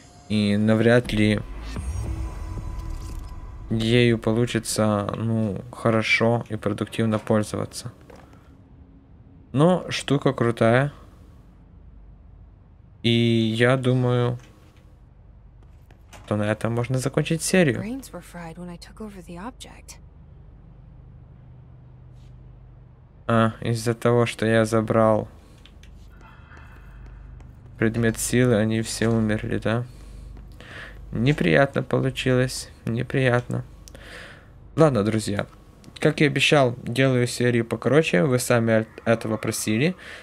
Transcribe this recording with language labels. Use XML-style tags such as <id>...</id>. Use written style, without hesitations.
<ru>И навряд ли ею получится, ну, хорошо и продуктивно пользоваться. Но штука крутая. И я думаю... то на этом можно закончить серию.</ru> <en>Brains were fried when I took over the object.</en> <ru>А, из-за того, что я забрал предмет силы, они все умерли, да? Неприятно получилось, неприятно. Ладно, друзья, как и обещал, делаю серию покороче, вы сами этого просили.</ru>